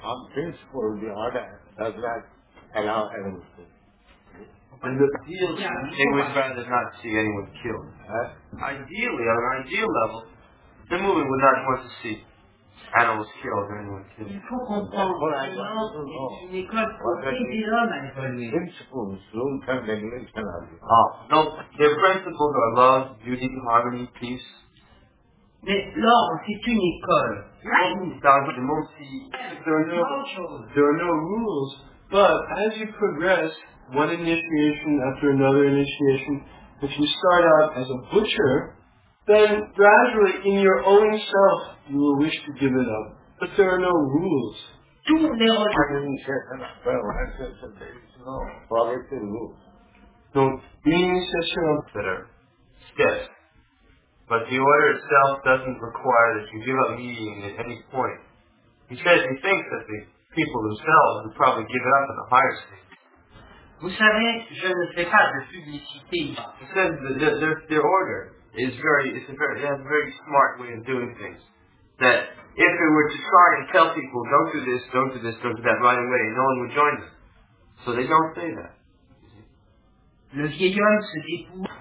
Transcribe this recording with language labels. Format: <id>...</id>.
<en>On principle, the order does not allow animals to. It would rather not see anyone killed. Ideally, on an ideal level, the movement would not want to see animals killed or anyone killed.</en> <fr>Il faut comprendre que l'ordre est une école pour aider l'homme à évoluer.</fr> <en>Principles, long term regulation. No, their principles are love, beauty, harmony, peace.</en> <fr>Mais l'ordre, c'est une école.</fr> <en>There are no rules, but as you progress one initiation after another initiation, if you start out as a butcher, then gradually in your own self you will wish to give it up. But there are no rules. Do well, I said there is no policy rules.</en> <fr>Donc, l'initiation</fr> <en>that are steps. But the order itself doesn't require that you give up eating at any point. He says he thinks that the people themselves would probably give it up in the higher state.</en> <fr>Vous savez, je ne fais pas de publicité.</fr> <en>He says that their order is very, it's a very, they have a very smart way of doing things. That if they were to try and tell people, don't do this, don't do this, don't do that right away, no one would join them. So they don't say that.</en> <fr>Le vieil homme se dépouille.</fr>